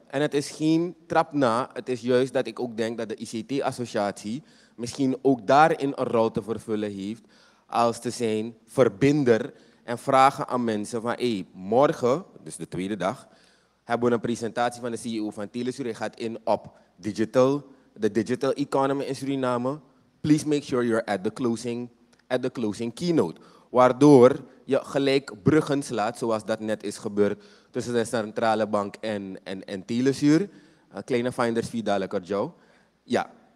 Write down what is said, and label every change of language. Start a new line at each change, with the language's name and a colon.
Dutch: En het is geen trap na, het is juist dat ik ook denk dat de ICT-associatie misschien ook daarin een rol te vervullen heeft. Als te zijn verbinder en vragen aan mensen van hey, morgen, dus de tweede dag, hebben we een presentatie van de CEO van Telesur. Hij gaat in op digital, de digital economy in Suriname.
English: Please make sure you're at the closing keynote.
Dutch: Waardoor je gelijk bruggen slaat, zoals dat net is gebeurd tussen de centrale bank en Telesur. Kleine finders fee dadelijk op jou. Ja.